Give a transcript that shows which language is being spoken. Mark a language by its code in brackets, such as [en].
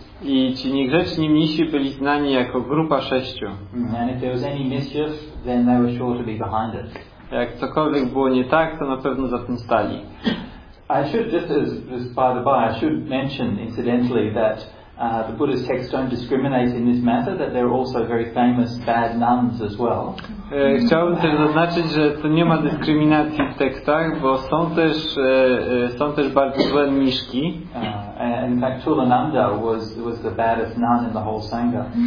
[pl] I ci niegrzeczni mnisi byli znani jako grupa sześciu. [en] And if there was any mischief, then they were sure to be behind it. [pl] Jak cokolwiek było nie tak, to na pewno za tym stali. [en] I should just as by the by, I should mention incidentally that the Buddhist texts don't discriminate in this matter, that there are also very famous bad nuns as well. [pl] Chciałbym też zaznaczyć, że to nie ma dyskryminacji w tekstach, bo są też bardzo złe mniszki. [en] In fact, Tulananda was the baddest nun in the whole Sangha.